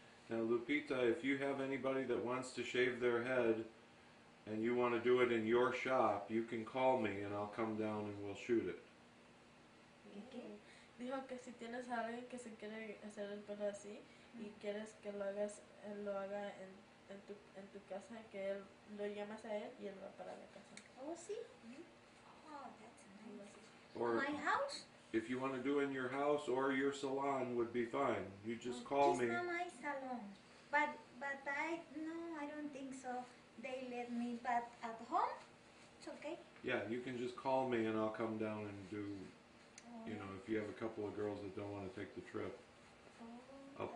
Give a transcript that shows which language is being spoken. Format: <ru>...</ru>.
<en>Now, Lupita, if you have anybody that wants to shave their head and you want to do it in your shop, you can call me and I'll come down and we'll shoot it.</en> <es>Dijo que si tienes a alguien que se quiere hacer el pelo así y quieres que lo haga en tu casa, que él lo llamas a él y él va para la casa.</es> <en>Oh, sí. Oh, that's nice. Or my house? If you want to do it in your house or your salon would be fine. You just call just me. Just not my salon. But I don't think so. They let me, but at home, it's okay. Yeah, you can just call me and I'll come down and do... You know, if you have a couple of girls that don't want to take the trip up</en>